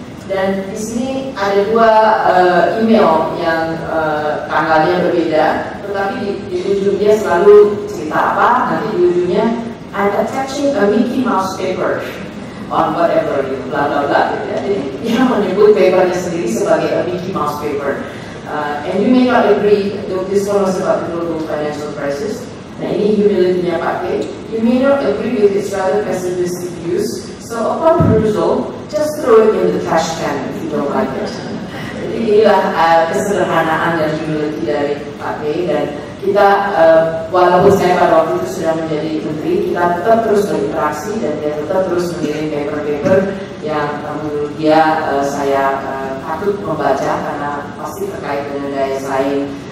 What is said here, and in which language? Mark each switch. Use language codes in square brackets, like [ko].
[id] Dan di sini ada dua email yang tanggalnya berbeda, tetapi di ujungnya selalu cerita apa, nanti judulnya [en] I'm attaching a Mickey Mouse paper on whatever, [id] gitu, [en] bla bla bla. [id] Jadi dia menyebut papernya sendiri sebagai [en] a Mickey Mouse paper. And you may not agree that this one was about the global financial crisis. [id] Nah, ini humility-nya pakai. [en] You may not agree with its rather pessimistic views. So upon perusal, just throw it in the trash can if you don't like it. [id] Jadi inilah kesederhanaan dan humility dari pakai. Dan kita, walaupun saya pada waktu itu sudah menjadi menteri, kita tetap terus berinteraksi dan dia tetap terus mengirim paper-paper yang menurut dia saya takut membaca karena pasti terkait dengan daya saing.